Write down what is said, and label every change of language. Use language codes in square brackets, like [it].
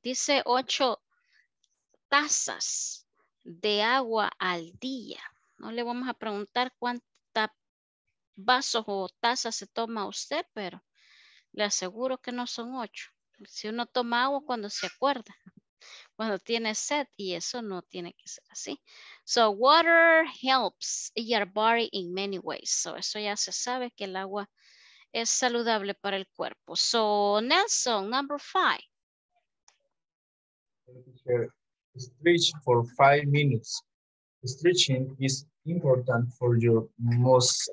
[es] Dice 8 tazas de agua al día. No le vamos a preguntar cuántas vasos o tazas se toma usted, pero le aseguro que no son 8. Si uno toma agua cuando se acuerda. Cuando tiene sed, y eso no tiene que ser así. [en] So, water helps your body in many ways. [es] So, eso ya se sabe que el agua es saludable para el cuerpo. [en] So, Nelson, number 5. Stretch for 5 minutes. Stretching is important for your muscles.